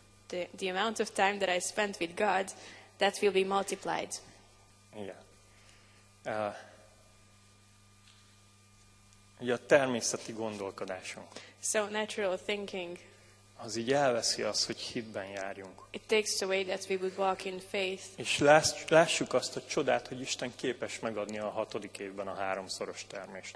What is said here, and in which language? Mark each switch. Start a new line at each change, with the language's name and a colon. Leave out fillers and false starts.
English: the amount of time that I spent with God, that will be multiplied.
Hungarian: Igen. A természeti gondolkodásunk.
English: So natural thinking.
Hungarian: Az így elveszi azt, hogy hitben járjunk.
English: It takes away that we would walk in faith.
Hungarian: És lássuk azt a csodát, hogy Isten képes megadni a hatodik évben a háromszoros termést.